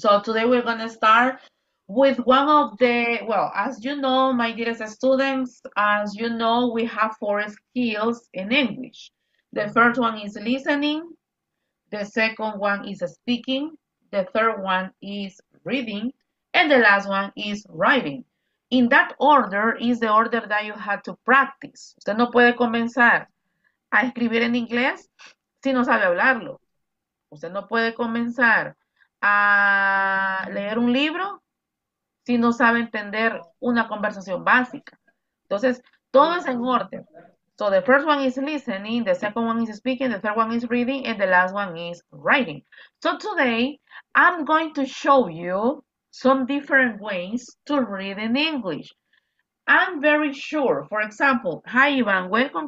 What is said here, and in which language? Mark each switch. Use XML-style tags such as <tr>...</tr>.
<en>So today we're gonna start with one of the, well, as you know, my dearest students, as you know, we have four skills in English. The first one is listening. The second one is speaking. The third one is reading. And the last one is writing. In that order is the order that you have to practice.</en> <es>Usted no puede comenzar a escribir en inglés si no sabe hablarlo. Usted no puede comenzar a leer un libro si no sabe entender una conversación básica. Entonces, todo es en orden.</es> <en>So the first one is listening, the second one is speaking, the third one is reading, and the last one is writing. So today, I'm going to show you some different ways to read in English. I'm very sure, for example, hi Ivan, welcome.</en>